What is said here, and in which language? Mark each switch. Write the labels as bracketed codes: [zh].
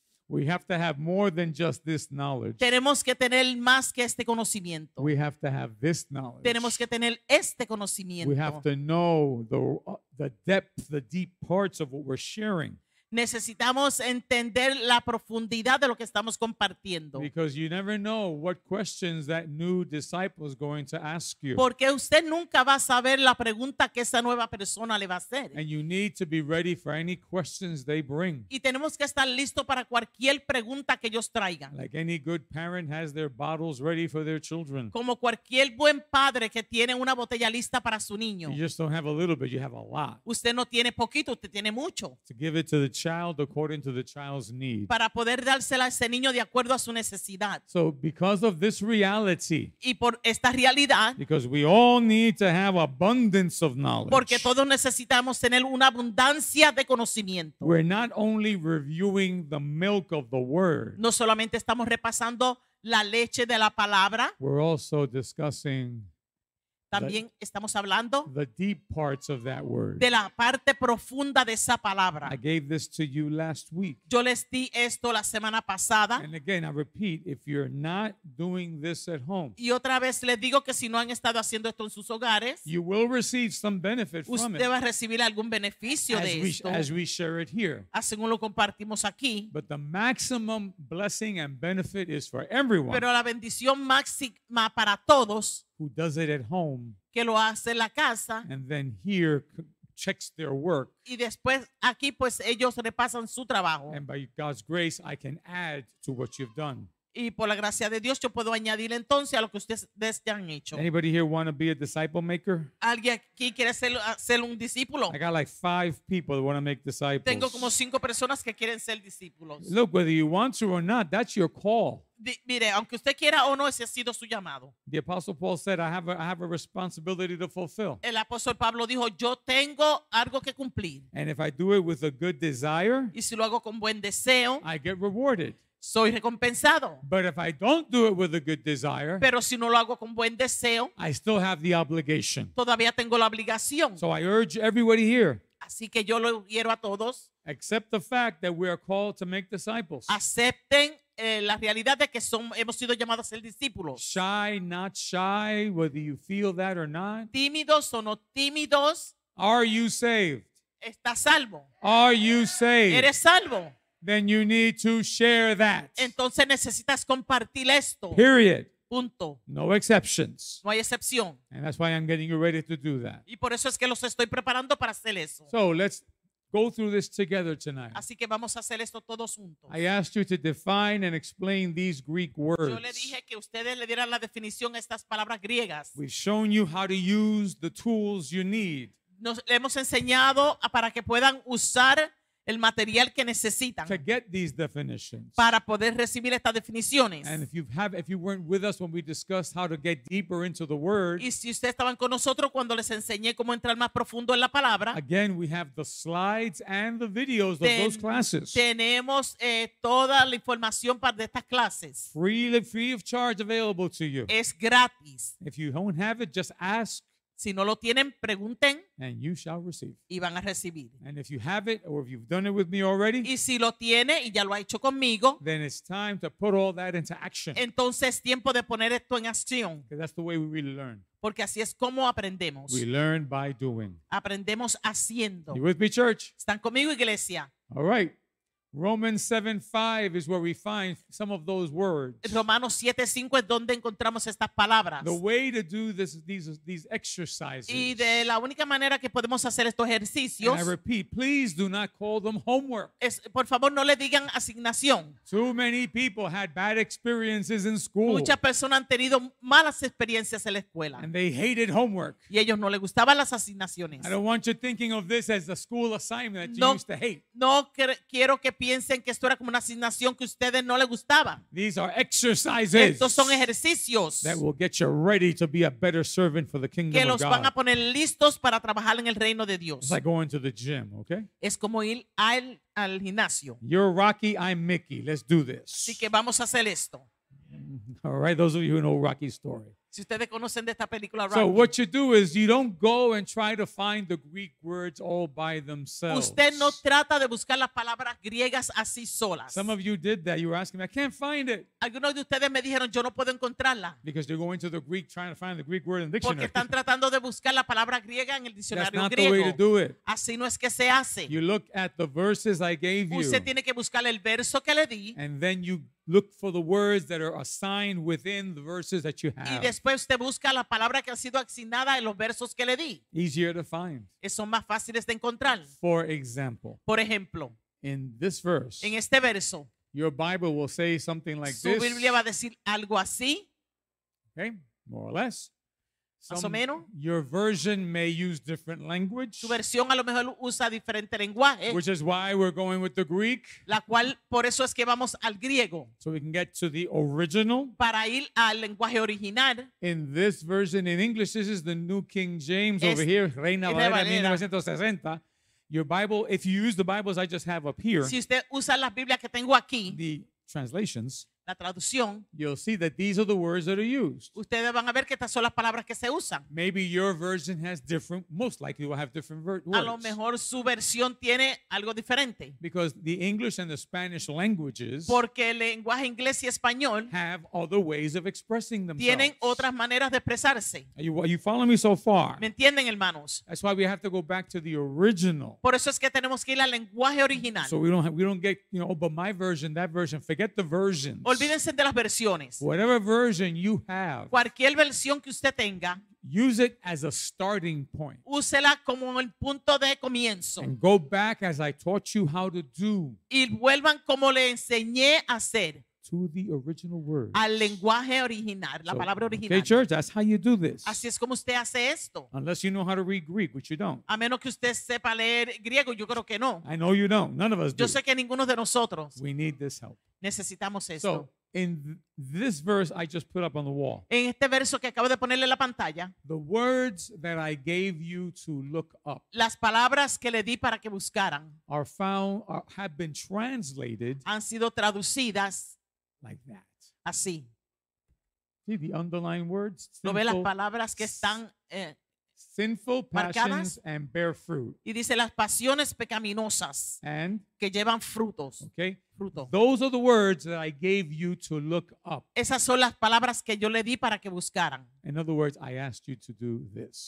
[en] We have to have more than just this knowledge. [es] Tenemos que tener más que este conocimiento. [en] We have to have this knowledge. [es] Tenemos que tener este conocimiento. [en] We have to know the depth, the deep parts of what we're sharing. [es] Necesitamos entender la profundidad de lo que estamos compartiendo. [en] Because you never know what questions that new disciple is going to ask you. [es] Porque usted nunca va a saber la pregunta que esa nueva persona le va a hacer. [en] And you need to be ready for any questions they bring. [es] Y tenemos que estar listo para cualquier pregunta que ellos traigan. [en] Like any good parent has their bottles ready for their children. [es] Como cualquier buen padre que tiene una botella lista para su niño. [en] You just don't have a little bit, you have a lot. [es] Usted no tiene poquito, usted tiene mucho. [en] To give it to the child according to the child's need. [es] Para poder dársela a ese niño de acuerdo a su necesidad. [en] So because of this reality, [es] y por esta realidad, [en] because we all need to have abundance of knowledge, [es] porque todos necesitamos tener una abundancia de conocimiento, [en] we're not only reviewing the milk of the word, [es] no solamente estamos repasando la leche de la palabra, [en] we're also discussing [es] también estamos hablando [en] the deep parts of that word. [es] De la parte profunda de esa palabra. [en] I gave this to you last week. [es] Yo les di esto la semana pasada. [en] And again, I repeat, if you're not doing this at home, [es] y otra vez les digo que si no han estado haciendo esto en sus hogares, [en] you will receive some benefit from it. [es] Usted va a recibir algún beneficio de esto. [en] As we share it here. [es] Así como lo compartimos aquí. [en] But the maximum blessing and benefit is for everyone. [es] Pero la bendición máxima para todos [en] who does it at home, [es] que lo hace en la casa, [en] and then here checks their work. [es] Y después aquí pues ellos repasan su trabajo. [en] And by God's grace, I can add to what you've done. [es] Y por la gracia de Dios, yo puedo añadir entonces a lo que ustedes ya han hecho. [en] Anybody here want to be a disciple maker? [es] ¿Alguien aquí quiere ser un discípulo? [en] I got like 5 people that want to make disciples. [es] Tengo como 5 personas que quieren ser discípulos. [en] Look, whether you want to or not, that's your call. [es] Mire, aunque usted quiera o no, ese ha sido su llamado. [en] The Apostle Paul said, I have a responsibility to fulfill. [es] El apóstol Pablo dijo, yo tengo algo que cumplir. [en] And if I do it with a good desire, [es] y si lo hago con buen deseo, [en] I get rewarded. [es] Soy recompensado. [en] But if I don't do it with a good desire, [es] pero si no lo hago con buen deseo, [en] I still have the obligation. [es] Todavía tengo la obligación. [en] So I urge everybody here, [es] así que yo lo quiero a todos, [en] accept the fact that we are called to make disciples. [es] Acepten la realidad de que hemos sido llamados a ser discípulos. [en] Shy, not shy, whether you feel that or not. [es] Tímidos o no tímidos. [en] Are you saved? [es] ¿Estás salvo? [en] Are you saved? [es] ¿Eres salvo? [en] Then you need to share that. [es] Entonces necesitas compartir esto. [en] Period. [es] Punto. [en] No exceptions. [es] No hay excepción. [en] And that's why I'm getting you ready to do that. [es] Y por eso es que los estoy preparando para hacer eso. [en] So let's go through this together tonight. [es] Así que vamos a hacer esto todos juntos. [en] I asked you to define and explain these Greek words. [es] Yo le dije que ustedes le dieran la definición a estas palabras griegas. [en] We've shown you how to use the tools you need. [es] Nos le hemos enseñado para que puedan usar el material que necesitan [en] to get these definitions. [es] Para poder recibir estas definiciones. [en] And if you weren't with us when we discussed how to get deeper into the word, [es] y si ustedes estaban con nosotros cuando les enseñé cómo entrar más profundo en la palabra, [en] again, we have the slides and the videos of those classes. [es] Tenemos toda la información para de estas clases. [en] Free of charge, available to you. [es] Es gratis. [en] If you don't have it, just ask. [es] Si no lo tienen, pregunten. [en] And you shall receive. [es] Y van a recibir. [en] And if you have it, or if you've done it with me already, [es] y si lo tiene y ya lo ha hecho conmigo, [en] then it's time to put all that into action. [es] Entonces es tiempo de poner esto en acción. [en] Because that's the way we really learn. [es] Porque así es como aprendemos. [en] We learn by doing. [es] Aprendemos haciendo. [en] You with me, church? [es] ¿Están conmigo, iglesia? [en] All right. Romans 7:5 is where we find some of those words. [es] Romanos 7:5 es donde encontramos estas palabras. [en] The way to do these exercises. [es] Y de la única manera que podemos hacer estos ejercicios. [en] And I repeat, please do not call them homework. [es] Por favor, no le digan asignación. [en] Too many people had bad experiences in school. [es] Muchas personas han tenido malas experiencias en la escuela. [en] And they hated homework. [es] Y ellos no les gustaban las asignaciones. [en] I don't want you thinking of this as a school assignment that you used to hate. [es] No quiero que piensen que esto era como una asignación que a ustedes no les gustaba. [en] These are exercises. [es] Estos son ejercicios. [en] That will get you ready to be a better servant for the kingdom of God. [es] Que los van a poner listos para trabajar en el reino de Dios. [en] It's like going to the gym, okay? [es] Es como ir al gimnasio. [en] You're Rocky, I'm Mickey. Let's do this. [es] Así que vamos a hacer esto. [en] All right, those of you who know Rocky's story. [es] Si ustedes conocen de esta película, Rocky. [en] So what you do is you don't go and try to find the Greek words all by themselves. [es] Usted no trata de buscar las palabras griegas así solas. [en] Some of you did that. You were asking me, I can't find it. [es] Algunos de ustedes me dijeron, yo no puedo encontrarla. [en] Because you're going to the Greek trying to find the Greek word in the dictionary. [es] Porque están tratando de buscar la palabra griega en el diccionario griego. [en] That's not the way to do it. [es] Así no es que se hace. [en] You look at the verses I gave you. [es] Usted tiene que buscar el verso que le di. [en] And then you look for the words that are assigned within the verses that you have. [es] Y después usted busca la palabra que ha sido asignada en los versos que le di. [en] Easier to find. [es] Son más fáciles de encontrar. [en] For example. [es] Por ejemplo. [en] In this verse. [es] En este verso. [en] Your Bible will say something like [es] su [en] this. [es] Su Biblia va a decir algo así. [en] Okay, more or less. [es] Más o menos. [en] Your version may use different language. [es] Su versión a lo mejor usa diferente lenguaje. [en] Which is why we're going with the Greek. [es] La cual, por eso es que vamos al griego. [en] So we can get to the original. [es] Para ir al lenguaje original. [en] In this version in English, this is the New King James over here. Reina Valera, 1960. Your Bible, if you use the Bibles I just have up here. [es] Si usted usa las Biblias que tengo aquí. [en] The translations. [es] La traducción. [en] You'll see that these are the words that are used. [es] Ustedes van a ver que estas son las palabras que se usan. [en] Maybe your version has different, most likely will have different words. [es] A lo mejor su versión tiene algo diferente. [en] Because the English and the Spanish languages, [es] porque el lenguaje inglés y español, [en] have other ways of expressing themselves. [es] Tienen otras maneras de expresarse. [en] Are you following me so far? [es] ¿Me entienden, hermanos? [en] That's why we have to go back to the original. [es] Por eso es que tenemos que ir al lenguaje original. [en] So we don't get, you know, but my version, that version, forget the version. [es] O Olvídense de las versiones. [en] Whatever version you have. [es] Cualquier versión que usted tenga. [en] Use it as a starting point. [es] Úsela como el punto de comienzo. [en] And go back as I taught you how to do. [es] Y vuelvan como le enseñé a hacer. [en] To the original word. [es] Al lenguaje original, la palabra original. [en] Okay, church, that's how you do this. [es] Así es como usted hace esto. [en] Unless you know how to read Greek, which you don't. [es] A menos que usted sepa leer griego, yo creo que no. [en] I know you don't. None of us [es] yo Yo sé que ninguno de nosotros. [en] We need this help. [es] Necesitamos esto. [en] So, in this verse I just put up on the wall. [es] En este verso que acabo de ponerle en la pantalla. [en] The words that I gave you to look up. [es] Las palabras que le di para que buscaran. [en] Are found, have been translated. [es] Han sido traducidas. [en] Like that. [es] Así. [en] See the underlying words? [es] Sinful, ¿no ve las palabras que están, [en] sinful passions and bear fruit. [es] Y dice las pasiones pecaminosas [en] and, [es] que llevan frutos. [en] Okay. [es] Fruto. [en] Those are the words that I gave you to look up. [es] Esas son las palabras que yo le di para que buscaran. [en] In other words, I asked you to do this.